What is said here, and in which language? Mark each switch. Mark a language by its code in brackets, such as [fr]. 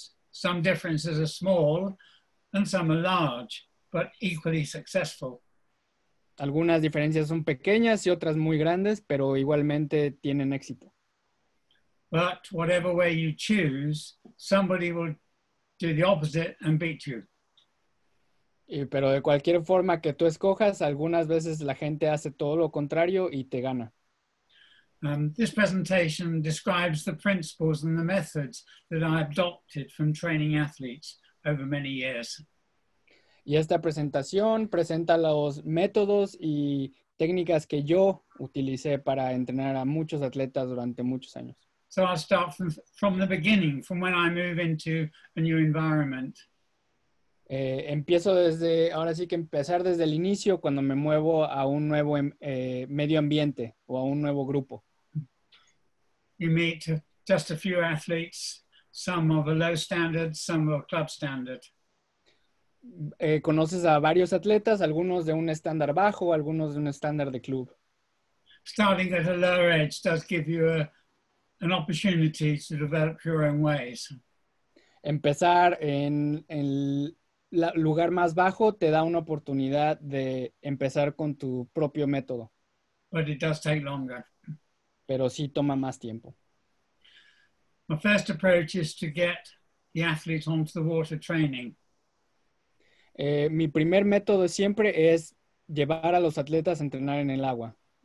[en] Some differences are small and some are large, but equally successful. [es] Algunas diferencias son pequeñas y otras muy grandes, pero igualmente tienen éxito. [en] But whatever way you choose, somebody will do the opposite and beat you. [es] Pero de cualquier forma que tú escojas, algunas veces la gente hace todo lo contrario y te gana. [en] This presentation describes the principles and the methods that I adopted from training athletes over many years. [es] Y esta presentación presenta los métodos y técnicas que yo utilicé para entrenar a muchos atletas durante muchos años. [en] So I'll start from the beginning, from when I move into a new environment. [es] Empiezo desde, ahora sí que empezar desde el inicio cuando me muevo a un nuevo medio ambiente o a un nuevo grupo. [en] You meet just a few athletes, some of a low standard, some of a club standard. [es] Conoces a varios atletas, algunos de un estándar bajo, algunos de un estándar de club. [en] Starting at a lower edge does give you an opportunity to develop your own ways. [es] Empezar en el lugar más bajo te da una oportunidad de empezar con tu propio método. [en] But it does take longer. [es] Pero sí toma más tiempo. [en] My first approach is to get the athletes onto the water training. [es] Mi primer método siempre es llevar a los atletas a entrenar en el agua.